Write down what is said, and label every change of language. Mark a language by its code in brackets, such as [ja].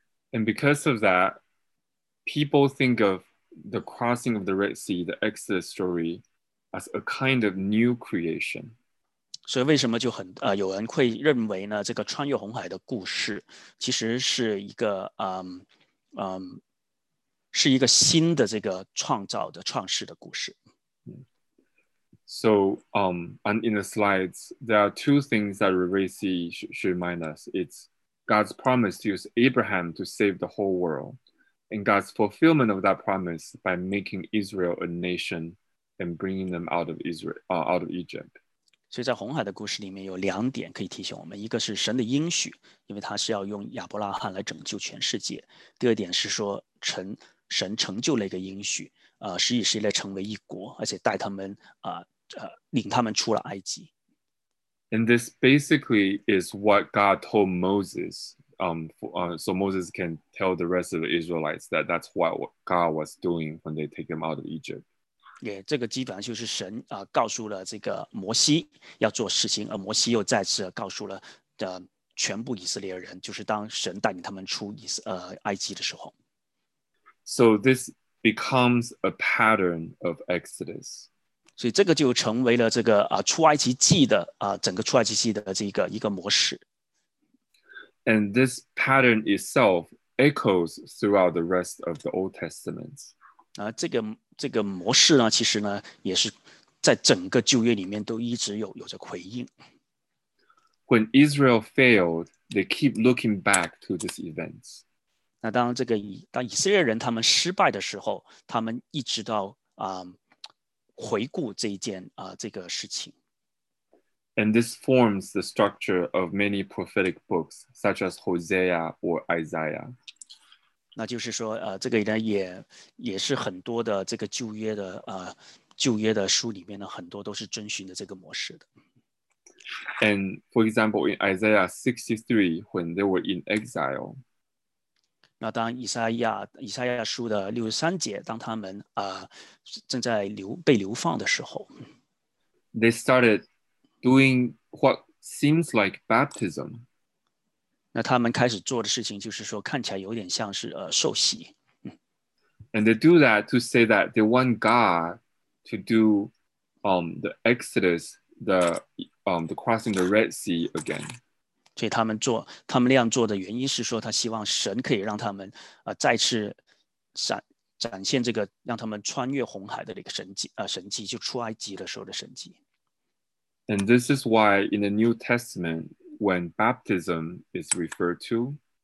[en] And because of that, people think of the crossing of the Red Sea, the Exodus story, as a kind of new creation. [zh] 所以为什么就很有人会认为呢？这个穿越红海的故事其实是一个是一个新的这个创造的创世的故事。 [en] So, and in the slides, there are two things that the Red Sea should remind us. It's God's promise to use Abraham to save the whole world, and God's fulfillment of that promise by making Israel a nation and bringing them out of out of Egypt. [zh] 所以在红海的故事里面有两点可以提醒我们，一个是神的应许，因为他是要用亚伯拉罕来拯救全世界；第二点是说神成就了一个应许，使以色列成为一国，而且带他们领他们出了埃及。 [en] And this basically is what God told Moses. So Moses can tell the rest of the Israelites that that's what God was doing when they take them out of Egypt. [zh] Yeah, 这个基本上就是神告诉了这个摩西要做事情，而摩西又再次告诉了全部以色列人，就是当神带领他们出埃及的时候。 [en] So this becomes a pattern of Exodus. [zh] 所以这个就成为了这个出埃及记的整个出埃及记的这个一个模式。 [en] And this pattern itself echoes throughout the rest of the Old Testament. [zh] 这个模式呢，其实呢也是在整个旧约里面都一直有着回应。 [en] When Israel failed, they keep looking back to these events. [zh] 那当以色列人他们失败的时候，他们一直到回顾这一件这个事情。 [en] And this forms the structure of many prophetic books, such as Hosea or Isaiah. [zh] 那就是说这个呢也是很多的这个旧约的书里面呢，很多都是遵循的这个模式的。 [en] And for example, in Isaiah 63, when they were in exile, [zh] 那当以赛亚书的63节，当他们正在被流放的时候 [en] ，They started doing what seems like baptism. [zh] 那他们开始做的事情就是说，看起来有点像是受洗。 [en] And they do that to say that they want God to do the Exodus, the crossing the Red Sea again. [zh] 所以他们那样做的原因是说，他希望神可以让他们再次展现这个让他们穿越红海的这个神迹，就出埃及的时候的神迹。 [en] And this is why in the New Testament, when baptism is referred to,